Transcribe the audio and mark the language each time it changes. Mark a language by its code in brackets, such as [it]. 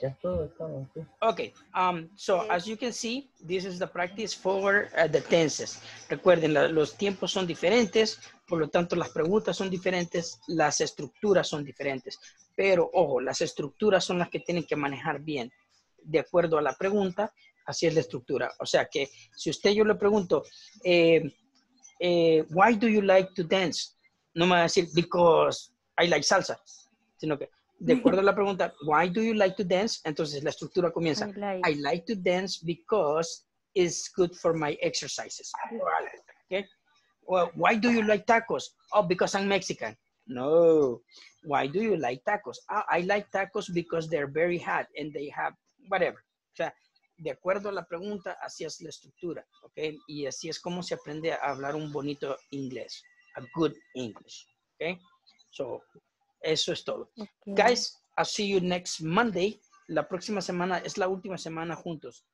[en] Okay, so as you can see, this is the practice for the tenses. [es] Recuerden, los tiempos son diferentes, por lo tanto las preguntas son diferentes, las estructuras son diferentes. Pero ojo, las estructuras son las que tienen que manejar bien. De acuerdo a la pregunta, así es la estructura. O sea que si usted, yo le pregunto, [en] why do you like to dance? [es] No me va a decir, [en] because I like salsa, [es] sino que de acuerdo a la pregunta, [en] why do you like to dance? [es] Entonces la estructura comienza, [en] I like to dance because it's good for my exercises. Okay. Well, why do you like tacos? Oh, because I'm Mexican. No. Why do you like tacos? Oh, I like tacos because they're very hot and they have whatever. [es] O sea, de acuerdo a la pregunta, así es la estructura. Okay. Y así es como se aprende a hablar un bonito inglés. [en] A good English. Okay. So, [es] eso es todo. [en] Okay. Guys, I'll see you next Monday. [es] La próxima semana es la última semana juntos.